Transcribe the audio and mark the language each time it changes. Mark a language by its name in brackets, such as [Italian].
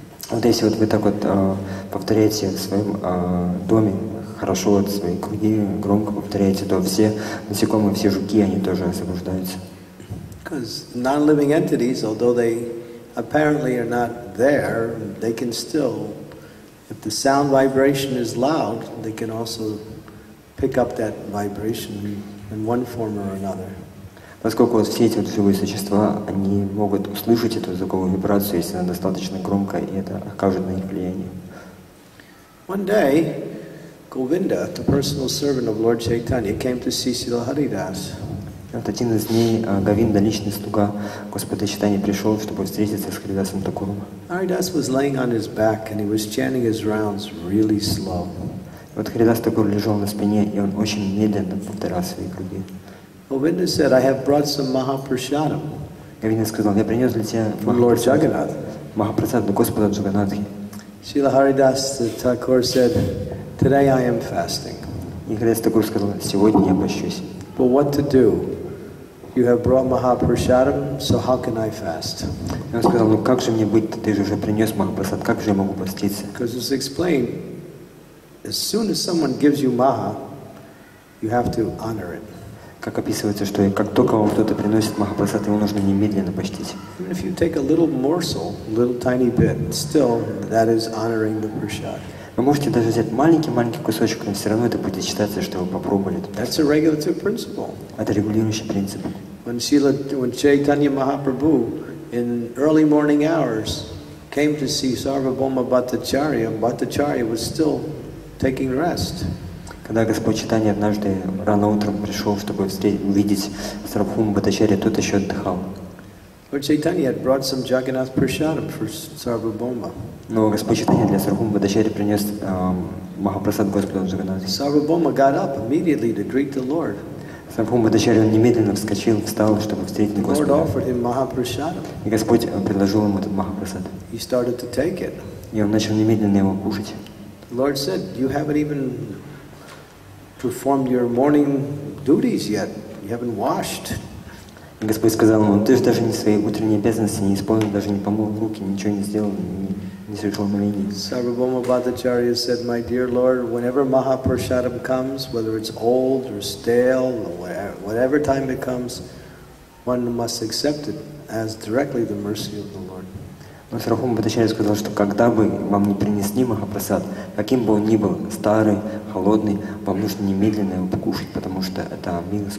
[Russian] Вот если вот вы так вот повторяете в своем доме, хорошо вот свои круги громко повторяете, то все насекомые, все жуки, они тоже освобождаются. [English] Because non-living entities, although they apparently are not there, they can still, if the sound vibration is loud, they can also pick up that vibration in one form or another. [Russian] Поскольку все эти живые существа, они могут услышать эту звуковую вибрацию, если она достаточно громкая, и это окажет на них влияние. [English] One day, Govinda, the personal servant of Lord Chaitanya, came to see Srila Haridas. [Russian] Вот один из дней Говинда, личный слуга Господа Чайтаньи, пришел, чтобы встретиться с Харидасом Тхакуром. [English] Haridas was laying on his back and he was chanting his rounds really slow. [Russian] Вот Харидас Тхакур лежал на спине, и он очень медленно повторял свои круги. [English] Govinda said, I have brought some Mahaprasadam. [Russian] Говинда сказал, я принес для тебя Mahaprasadam. Mahaprasadam для Господа Джаганатхи. [English] Srila Haridas Thakur said, "Today I am fasting." [Russian] И Haridas Thakur сказал, "Сегодня я пощусь." [English] But what to do? You have brought Mahaprasadam, so how can I fast? [Russian] Он сказал, "Ну как же мне быть? Ты же уже принес Махапрасад, как же я могу поститься?" [English] Because it's explained, as soon as someone gives you Maha, you have to honor it. [Russian] Как описывается, что как только вам кто-то приносит Махапрасад, его нужно немедленно почтить. [English] Even if you take a little morsel, a little tiny bit, still that is honoring the prasad. [Russian] Вы можете даже взять маленький-маленький кусочек, но все равно это будет считаться, что вы попробовали. [English] That's a regulative principle. [Russian] Это регулирующий принцип. [English] When Srila, when Chaitanya Mahaprabhu in early morning hours came to see Sarvabhauma Bhattacharya, Bhattacharya was still taking rest. [Russian] Когда Господь Чайтанья однажды рано утром пришел, чтобы увидеть Сарвабхаума Бхаттачарья, тот еще отдыхал. [English] Lord Chaitanya had brought some Jagannath Prasadam for Sarvabhauma. [Russian] Но Господь Чайтанья для Сарвабхаумы Бхаттачарьи принес Махапрасад Господу Джаганнатху. [English] Sarvabhauma got up immediately to greet the Lord. [Russian] Сарвабхаума Бхаттачарья немедленно вскочил, встал, чтобы встретить Господа. [English] The Lord offered him Mahaprasadam. [Russian] И Господь предложил ему этот Махапрасад. [English] He started to take it. [Russian] И он начал немедленно его кушать. [English] The Lord said, "You haven't even performed your morning duties yet. You haven't washed." [Russian] И Господь сказал ему, ты же даже не свои утренние обязанности не исполнил, даже не помыл руки, ничего не сделал, не совершил молений. [English] Sarvabhauma Bhattacharya said, "My dear Lord, whenever Mahaprasadam comes, whether it's old or stale, or whatever time it comes, one must accept it as directly the mercy of the Lord." [Russian] Но Сарвабхаума Бхаттачарья сказал, что когда бы вам не принесли Махапрасад, каким бы он ни был, старый, холодный, вам нужно немедленно его покушать, потому что это милость